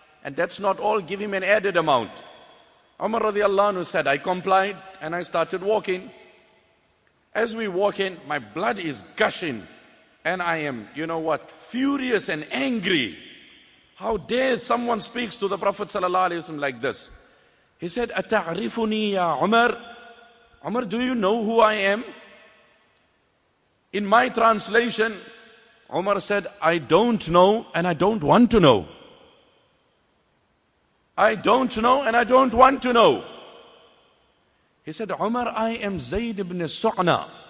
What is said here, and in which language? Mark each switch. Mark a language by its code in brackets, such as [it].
[en] And that's not all, give him an added amount. Umar radiallahu anhu said, I complied and I started walking. As we walk in, my blood is gushing and I am, you know what, furious and angry. How dare someone speaks to the Prophet sallallahu alaihi wasallam like this? He said, [ar] أَتَعْرِفُنِي يَا عُمَرُ. [en] Umar, do you know who I am? In my translation, Umar said, I don't know and I don't want to know. I don't know and I don't want to know. He said, Umar, I am Zayd ibn Su'na.